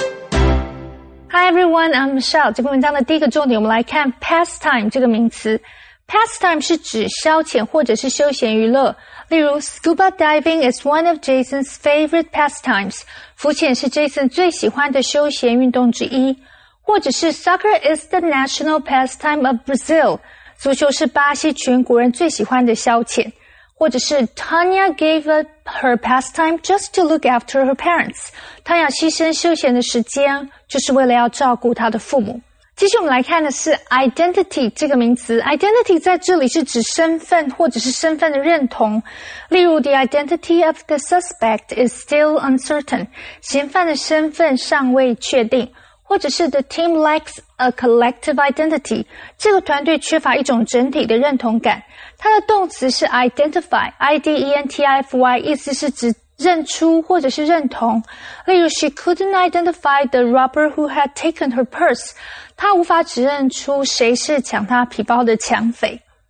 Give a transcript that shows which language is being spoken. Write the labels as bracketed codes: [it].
[en] Hi, everyone. I'm Michelle. [zh] 这篇文章的第一个重点，我们来看 pastime 这个名词。 [en] Pastime [zh] 是指消遣或者是休闲娱乐。例如 [en] ,scuba diving is one of Jason's favorite pastimes. [zh] 浮潜是 Jason 最喜欢的休闲运动之一。或者是 [en] soccer is the national pastime of Brazil. [zh] 足球是巴西全国人最喜欢的消遣。或者是 [en] Tanya gave up her pastime just to look after her parents. [zh] Tanya 牺牲休闲的时间就是为了要照顾她的父母。接下来我们来看的是 identity 这个名词。identity 在这里是指身份或者是身份的认同。例如 [en] ,the identity of the suspect is still uncertain. [zh] 嫌犯的身份尚未确定。或者是 , [en] the team lacks a collective identity. [zh] 这个团队缺乏一种整体的认同感。它的动词是 identify, 意思是指认出或者是认同。例如 [en] ,she couldn't identify the robber who had taken her purse. [zh] 她无法指认出谁是抢她皮包的抢匪。